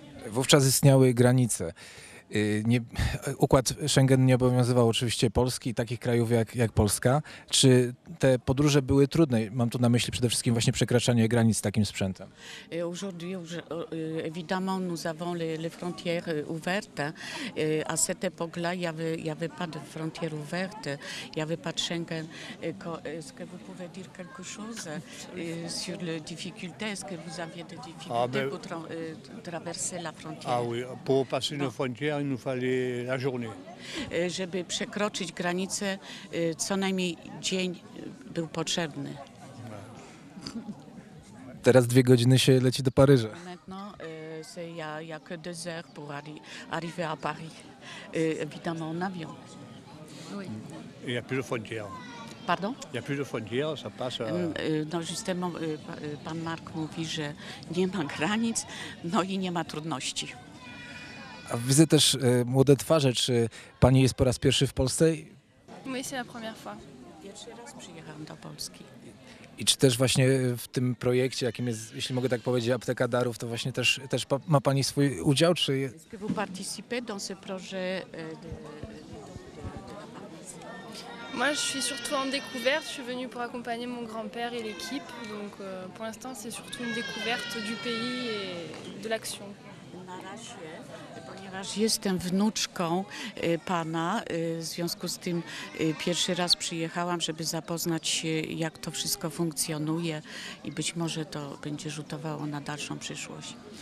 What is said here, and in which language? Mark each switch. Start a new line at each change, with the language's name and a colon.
Polish: Wówczas istniały granice. Układ Schengen nie obowiązywał oczywiście Polski i takich krajów jak Polska. Czy te podróże były trudne? Mam tu na myśli przede wszystkim właśnie przekraczanie granic z takim sprzętem.
French: Aujourd'hui, évidemment, nous avons les frontières ouvertes. À cette époque-là, il y avait pas de frontières ouvertes. Il y avait pas de Schengen. Est-ce que vous pouvez dire quelque chose sur les difficultés? Est-ce que vous aviez des difficultés pour traverser la frontière? Ah oui, pour passer une frontière. Il nous fallait la journée.
Polish: Żeby przekroczyć granicę, co najmniej dzień był potrzebny. Teraz dwie godziny się leci do Paryża.
French: Maintenant, c'est jak deux heures pour arriver à Paris. Évidemment, en avion. Il n'y a plus de frontières. Pardon? Il n'y a plus de frontières, ça passe.
Polish: No, justement, pan Mark mówi, że nie ma granic, no i nie ma trudności. A widzę też młode twarze. Czy pani jest po raz pierwszy w Polsce? Myślę,
French: la première fois.
Polish: Pierwszy raz przyjechałam do Polski. I czy też właśnie w tym projekcie, jakim jest, jeśli mogę tak powiedzieć, Apteka Darów, to właśnie też ma pani swój udział? Czy
French: est-ce que vous participez dans ce projet Moi, je suis surtout en découverte. Je suis venue pour accompagner mon grand-père et l'équipe. Donc pour l'instant, c'est surtout une découverte du pays et de l'action.
Polish: Na razie. Ponieważ jestem wnuczką pana, w związku z tym pierwszy raz przyjechałam, żeby zapoznać się, jak to wszystko funkcjonuje i być może to będzie rzutowało na dalszą przyszłość.